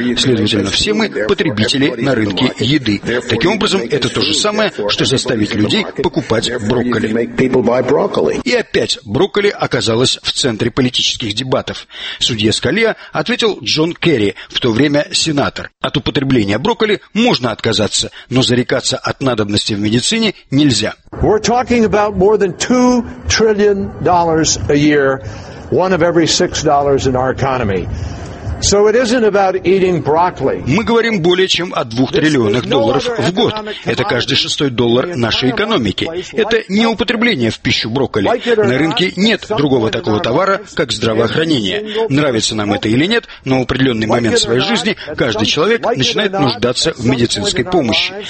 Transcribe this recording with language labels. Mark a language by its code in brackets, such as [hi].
[ru] Следовательно, все мы потребители на рынке еды. Таким образом, это то же самое, что заставить людей покупать брокколи. И опять брокколи оказалась в центре политических дебатов. Судья Скалия ответил Джон Керри, в то время сенатор. От употребления брокколи можно отказаться, но зарекаться от надобности в медицине нельзя. [en] We're talking about more than $2 trillion a year. One of every $6 in our economy. So it isn't about eating broccoli. [ru] Мы говорим более чем о $2 триллионах в год. Это каждый шестой доллар нашей экономики. Это не употребление в пищу брокколи. На рынке нет другого такого товара, как здравоохранение. Нравится нам это или нет, но в определенный момент своей жизни каждый человек начинает нуждаться в медицинской помощи.